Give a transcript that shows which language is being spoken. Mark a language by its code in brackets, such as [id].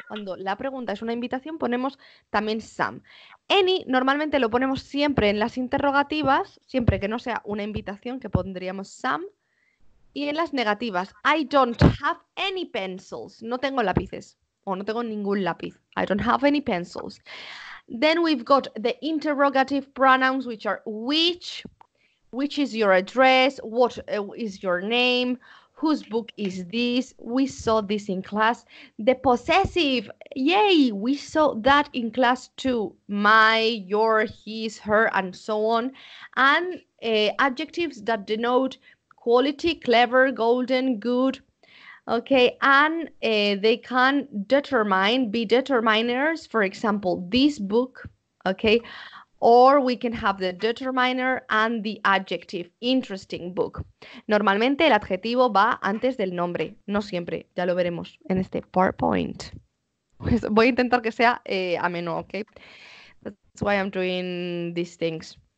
[es] Cuando la pregunta es una invitación, ponemos también some. Any normalmente lo ponemos siempre en las interrogativas, siempre que no sea una invitación, que pondríamos some. Y en las negativas, [en] I don't have any pencils. [es] No tengo lápices o no tengo ningún lápiz. [en] I don't have any pencils. Then we've got the interrogative pronouns, which are which is your address, what is your name, whose book is this, we saw this in class. The possessive, yay, we saw that in class too, my, your, his, her, and so on. And adjectives that denote quality, clever, golden, good. Okay, and they can be determiners, for example, this book, okay, or we can have the determiner and the adjective, interesting book. [es] Normalmente el adjetivo va antes del nombre, no siempre, ya lo veremos en este PowerPoint. Pues voy a intentar que sea ameno, okay, [en] that's why I'm doing these things.